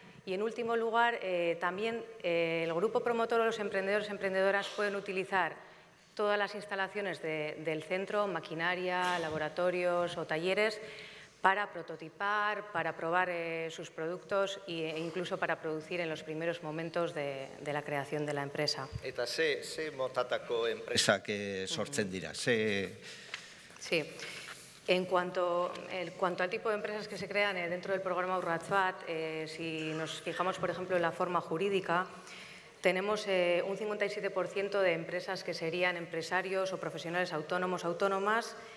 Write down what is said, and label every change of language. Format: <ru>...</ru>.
<es>Y en último lugar, también el grupo promotor o los emprendedores y emprendedoras pueden utilizar todas las instalaciones del centro, maquinaria, laboratorios o talleres, para prototipar, para probar sus productos e incluso para producir en los primeros momentos de la creación de la empresa.</es> <eu>Eta ze motatako enpresa que sortzen dira. Ze...</eu> <es>Sí. En cuanto al tipo de empresas que se crean dentro del programa Urrats Bat, si nos fijamos, por ejemplo, en la forma jurídica, tenemos un 57% de empresas que serían empresarios o profesionales autónomos, autónomas.</es>